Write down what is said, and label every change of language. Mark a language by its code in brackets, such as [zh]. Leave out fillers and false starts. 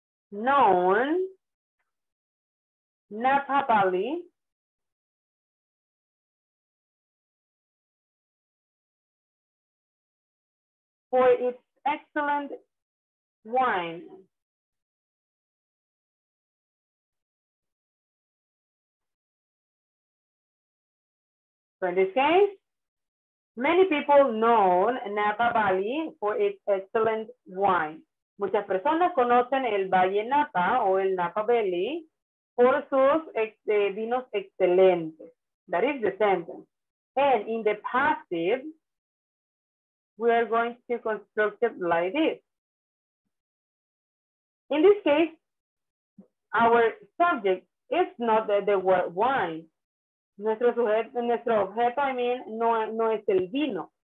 [en] Known Napa Valley for its excellent wine. So in this case, many people know Napa Valley for its excellent wine. [es] Muchas personas conocen el Valle Napa o el Napa Valley por sus vinos excelentes. [en] That is the sentence. And in the passive, we are going to construct it like this. In this case, our subject is not the word wine. [es] Nuestro sujeto, nuestro objeto, [en] I mean, [es] no es el vino.